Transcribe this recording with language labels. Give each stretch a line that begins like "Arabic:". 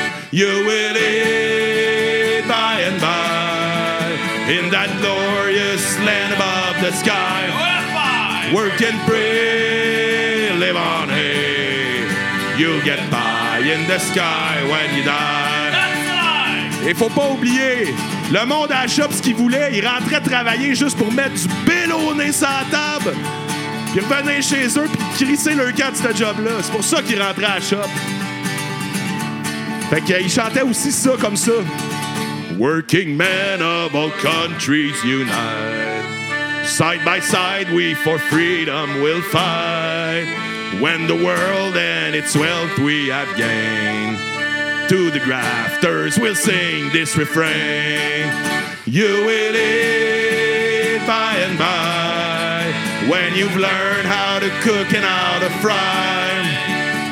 English: You will eat by and by in that glorious land above the sky. Work and pray, live on hay. You'll get by in the sky when you die.
French: Et faut pas oublier, le monde achète ce qu'il voulait, il rentrait travailler juste pour mettre du bélonné sur la table, puis revenait chez eux, puis crisser leur cas de ce job-là. C'est pour ça qu'il rentrait à la shop. Fait qu'il chantait aussi ça, comme ça.
English: Working men of all countries unite. Side by side, we for freedom will fight. When the world and its wealth we have gained. To the grafters, we'll sing this refrain. You will eat by and by when you've learned how to cook and how to fry.